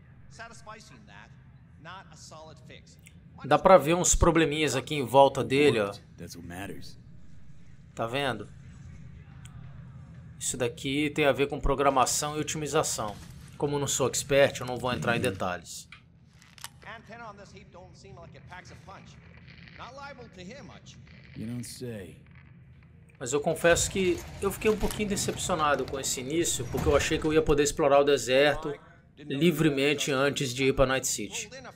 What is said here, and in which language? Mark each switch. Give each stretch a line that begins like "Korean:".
English: Satisfying that, not a solid fix.
Portuguese: Dá pra ver uns probleminhas aqui em volta dele, ó.
English: That's what matters.
Portuguese: Tá vendo? Isso daqui tem a ver com programação e otimização. Como não sou expert, eu não vou entrar em detalhes.
English: Antenna on this heap don't seem like it packs a punch. Not liable to hear much. You don't say.
Portuguese: Mas eu confesso que eu fiquei um pouquinho decepcionado com esse início, porque eu achei que eu ia poder explorar o deserto livremente antes de ir para Night City.